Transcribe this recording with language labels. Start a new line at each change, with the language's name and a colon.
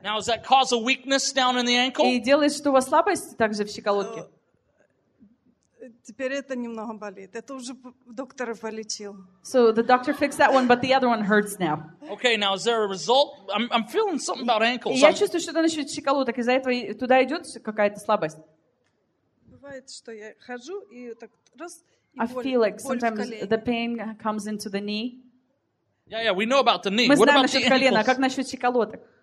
English: Now, does that cause a weakness down in the ankle?
Russian: И делает, что у вас слабость также в щиколотке. Теперь это немного болит. Это уже доктор полечил.
English: So the doctor fixed that one, but the other one hurts now. Okay, now is there a result? I'm feeling something about ankles.
Russian: Я чувствую, что насчет щиколоток, из-за этого туда идет какая-то слабость. Бывает, что я хожу и так раз.
English: I feel like sometimes the pain comes into the knee. Yeah, we know about the knee.
Russian: Мы знаем насчет колена, как насчет щиколоток?